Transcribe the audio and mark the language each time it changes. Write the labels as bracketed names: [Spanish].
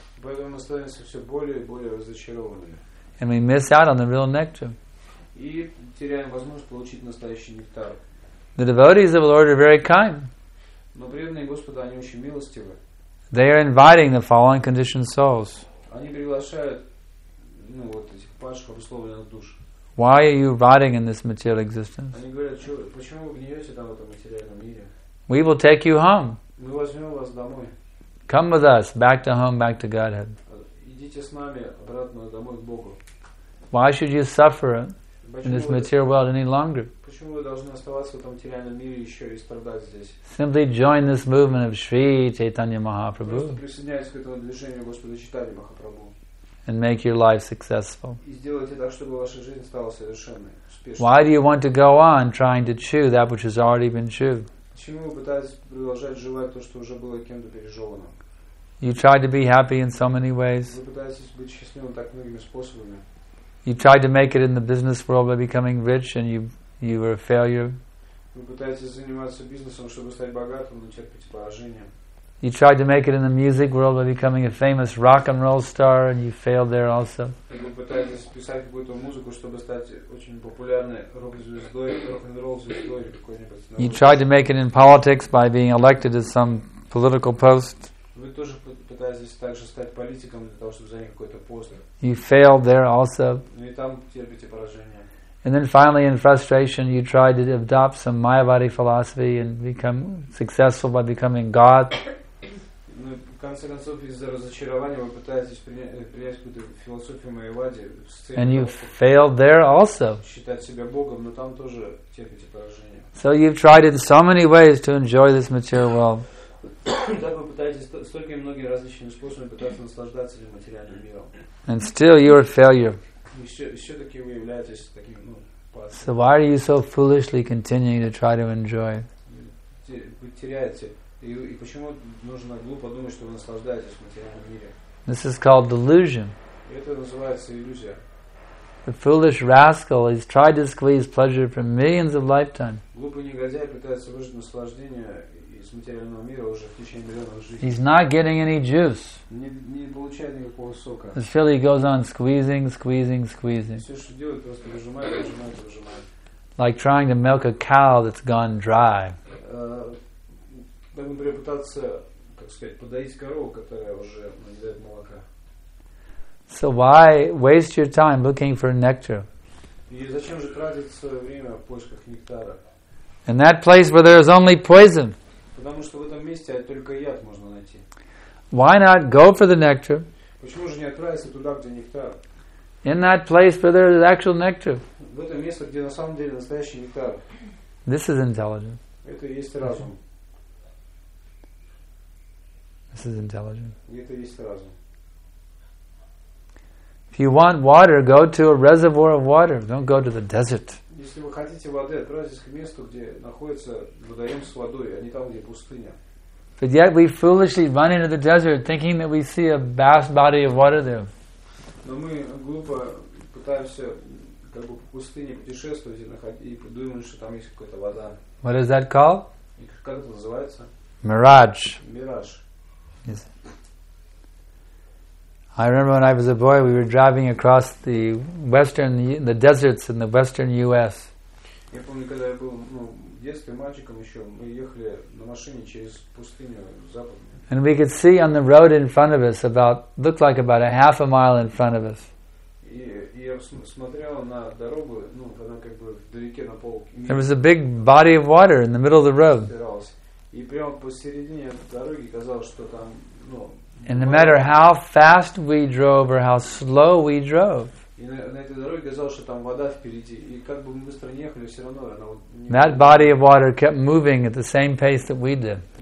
[Russian] Поэтому мы становимся все более и более разочарованными. [English] And we miss out on the real nectar. [Russian] И теряем возможность получить настоящий нектар. [English] The devotees of the Lord are very kind. [Russian] Но преданные Господа, они очень милостивы. [English] They are inviting the fallen conditioned souls. [Russian] Они приглашают, ну вот этих падших обусловленных душ. [English] Why are you rotting in this material existence? [Russian] Они говорят, почему вы гниете там в этом материальном мире? [English] We will take you home. [Russian] Мы возьмем вас домой. [English] Come with us, back to home, back to Godhead. [Russian] Идите с нами обратно домой к Богу. [English] Why should you suffer in this material world any longer? [Russian] Почему вы должны оставаться в этом материальном мире еще и страдать здесь? [English] Simply join this movement of Sri Chaitanya Mahaprabhu. [Russian] Просто присоединяйтесь к этому движению Господа Чайтаньи Махапрабху. [English] And make your life successful. [Russian] И сделайте так, чтобы ваша жизнь стала совершенной, успешной. [English] Why do you want to go on trying to chew that which has already been chewed? [Russian] Почему вы пытаетесь продолжать жевать то, что уже было кем-то пережевано? [English] You try to be happy in so many ways. [Russian] Вы пытаетесь быть счастливым так многими способами. [English] You try to make it in the business world by becoming rich, and you were a failure. [Russian] Вы пытаетесь заниматься бизнесом, чтобы стать богатым, но терпите поражение. [English] You tried to make it in the music world by becoming a famous rock and roll star, and you failed there also. [Russian] Вы пытаетесь писать какую-то музыку, чтобы стать очень популярной рок-звездой, рок-н-ролл звездой какой-нибудь. [English] You tried to make it in politics by being elected to some political post. [Russian] Вы тоже пытаетесь также стать политиком для того, чтобы занять какой-то пост. [English] You failed there also. [Russian] И там терпите поражение. [English] And then finally, in frustration, you try to adopt some Mayavadi philosophy and become successful by becoming God. [Russian] Ну, в конце концов, из-за разочарования вы пытаетесь принять какую-то философию Майявади. [English] And you failed there also. [Russian] Считать себя Богом, но там тоже терпите поражение. [English] So you've tried in so many ways to enjoy this material world. [Russian] Так вы пытаетесь столько и многими различными способами пытаться наслаждаться этим материальным миром. [English] And still you are a failure. [Russian] Все-таки вы являетесь таким, ну, [English] So why are you so foolishly continuing to try to enjoy? [Russian] Вы теряете. И почему нужно глупо думать, что вы наслаждаетесь в материальном мире? [English] This is called delusion. [Russian] Это называется иллюзия. [English] The foolish rascal has tried to squeeze pleasure from millions of lifetimes. [Russian] Глупый негодяй пытается выжать наслаждение из материального мира уже в течение миллионов жизней. [English] He's not getting any juice. [Russian] Не получает никакого сока. [English] Until he goes on squeezing. [Russian] Все, что делает, просто выжимает. [English] Like trying to milk a cow that's gone dry. [Russian] Например, пытаться, как сказать, подоить корову, которая уже не дает молока. [English] So why waste your time looking for nectar? [Russian] И зачем же тратить свое время в поисках нектара? [English] In that place where there is only poison. [Russian] Потому что в этом месте только яд можно найти. [English] Why not go for the nectar? [Russian] Почему же не отправиться туда, где нектар? [English] In that place where there is actual nectar. [Russian] В это место, где на самом деле настоящий нектар. [English] This is intelligent. [Russian] Это и есть разум. [English] This is intelligent. [Russian] Это и есть разум. [English] If you want water, go to a reservoir of water. Don't go to the desert. [Russian] Если вы хотите воды, отправьтесь к месту, где находится водоем с водой, а не там, где пустыня. [English] But yet we foolishly run into the desert, thinking that we see a vast body of water there. [Russian] Но мы глупо пытаемся как бы по пустыне путешествовать и думаем, что там есть какая-то вода. [English] What is that called? [Russian] И как это называется? [English] Mirage. Mirage. Yes. I remember when I was a boy, we were driving across the western, the deserts in the western U.S. [Russian] Я помню, когда я был, ну, детским мальчиком еще, мы ехали на машине через пустыню западную. [English] And we could see on the road in front of us about, looked like about a half a mile in front of us. [Russian] И я смотрел на дорогу, ну, она как бы вдалеке на пол. [English] There was a big body of water in the middle of the road. [Russian] И прямо посередине дороги казалось, что там, ну, [English] and no matter how fast we drove or how slow we drove, that body of water kept moving at the same pace that we did.